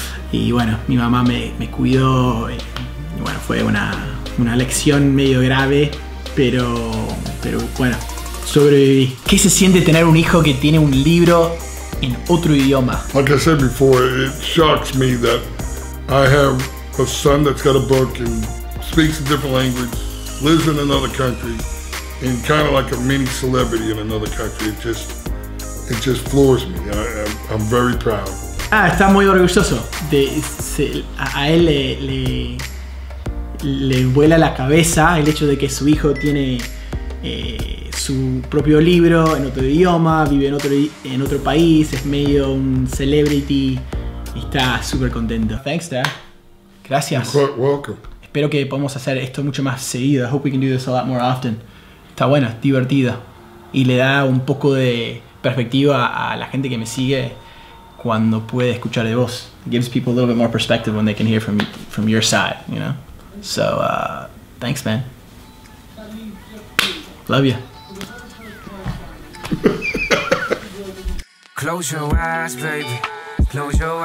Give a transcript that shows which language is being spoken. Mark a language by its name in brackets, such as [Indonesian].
[Spanish] Y bueno, mi mamá me cuidó y bueno, fue una lección medio grave, pero bueno, sobreviví. ¿Qué se siente tener un hijo que tiene un libro en otro idioma? [English] Like I said before, it shocks me that I have a son that's got a book and speaks a different language, lives in another country, and kind of like a mini celebrity in another country. It just floors me. I'm very proud. [Spanish] Ah, está muy orgulloso. A él le vuela la cabeza el hecho de que su hijo tiene su propio libro en otro idioma, vive en otro país, es medio un celebrity. Está súper contento. [English] Thanks, Dad. [Spanish] Gracias. [English] You're quite welcome. [Spanish] Espero que podamos hacer esto mucho más seguido. [English] I hope we can do this a lot more often. [Spanish] Está bueno, divertido. Y le da un poco de perspectiva a la gente que me sigue cuando puede escuchar de vos. [English] It gives people a little bit more perspective when they can hear from your side, you know? So, thanks, man. Love you. Close your eyes, baby. Close your eyes. Feel the waves in degrees, baby. Feel the breeze.